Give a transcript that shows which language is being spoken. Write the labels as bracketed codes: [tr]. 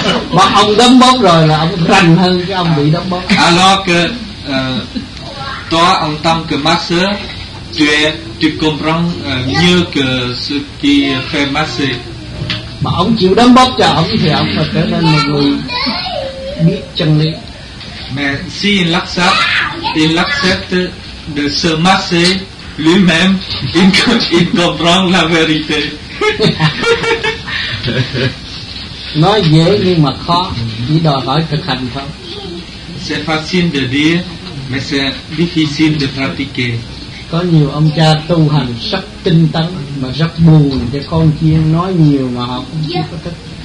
[vi] Mà ông đấm bóp rồi là ông rành hơn cái ông bị đấm bóp. [fr] Alors que toi en tant que masseur, tu comprends mieux que ce qui fait masser. [vi] Mà ông chịu đấm bóp cho ông thì ông trở nên một người biết chân lý. [fr] Mais si il accepte de se masser lui-même, il comprend la vérité. [vi] Nói dễ nhưng mà khó, chỉ đòi hỏi thực hành thôi. [fr] C'est facile de dire, mais c'est difficile de pratiquer. [vi] Có nhiều ông cha tu hành rất tinh tấn mà rất buồn cho con chiên nói nhiều mà họ cũng chưa có thích.